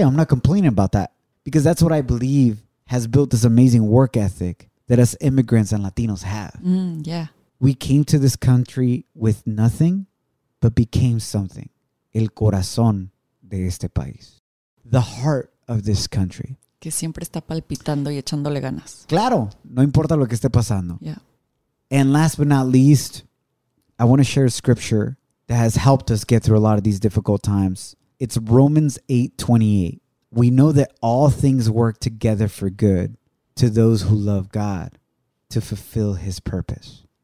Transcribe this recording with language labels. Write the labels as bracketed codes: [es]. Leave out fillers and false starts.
[en] I'm not complaining about that because that's what I believe has built this amazing work ethic that us immigrants and Latinos have. Yeah. We came to this country with nothing, but became something. [es] El corazón de este país. [en] The heart of this country. [es] Que siempre está palpitando y echándole ganas. Claro. No importa lo que esté pasando. [en] Yeah. And last but not least, I want to share a scripture that has helped us get through a lot of these difficult times. It's Romans 8:28. We know that all things work together for good to those who love God to fulfill his purpose.